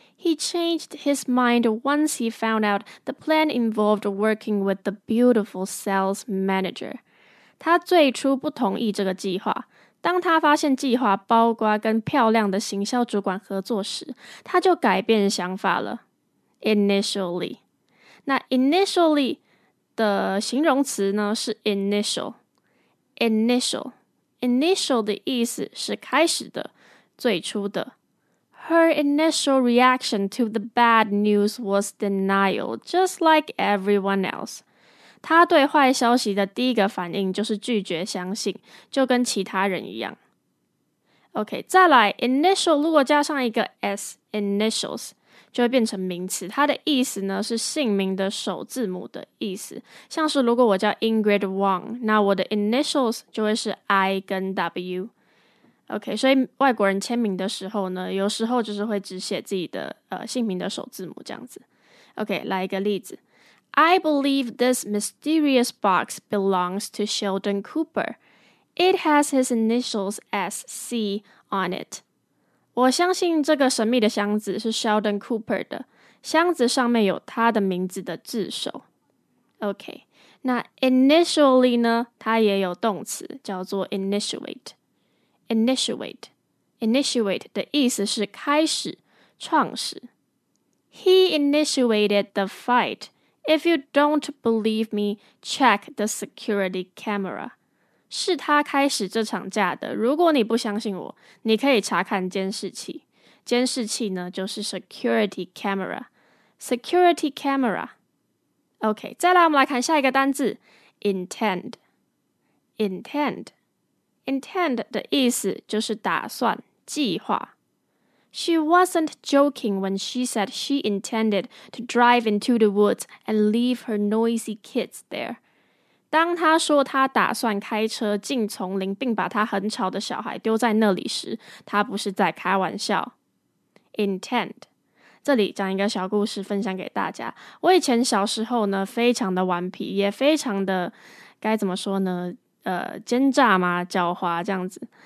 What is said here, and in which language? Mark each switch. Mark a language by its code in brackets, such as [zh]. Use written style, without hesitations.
[en] He changed his mind once he found out the plan involved working with the beautiful sales manager. [zh] 他最初不同意这个计划。当他发现计划包括跟漂亮的行销主管合作时，他就改变想法了。 Initially， 那 initially 的形容词呢是 initial 的意思是开始的、最初的。 [en] Her initial reaction to the bad news was denial, just like everyone else. [zh] 他对坏消息的第一个反应就是拒绝相信，就跟其他人一样。 OK， 再来 ，initial 如果加上一个 s，initials 就会变成名词，它的意思呢是姓名的首字母的意思。像是如果我叫 Ingrid Wang， 那我的 initials 就会是 I 跟 W。 OK， 所以外国人签名的时候呢，有时候就是会只写自己的姓名的首字母这样子。 OK， 来一个例子。 [en] I believe this mysterious box belongs to Sheldon Cooper. It has his initials SC on it. [zh] 我相信这个神秘的箱子是 Sheldon Cooper 的。箱子上面有他的名字的字首。 OK， 那 initially 呢，它也有动词叫做 initiate。 Initiate Initiate 的意思是开始、创始。 [en] He initiated the fight. If you don't believe me, check the security camera. [zh] 是他开始这场架的。如果你不相信我，你可以查看监视器。监视器呢，就是 security camera. Security camera. OK， 再来我们来看下一个单字， intend. Intend. Intend 的意思就是打算。计划。 [en] She wasn't joking when she said she intended to drive into the woods and leave her noisy kids there. [zh] 当她说她打算开车进丛林并把她很吵的小孩丢在那里时，她不是在开玩笑。 [en] Intend。 [zh] 这里讲一个小故事分享给大家。我以前小时候呢，非常的顽皮，也非常的，该怎么说呢，奸诈嘛，狡猾这样子。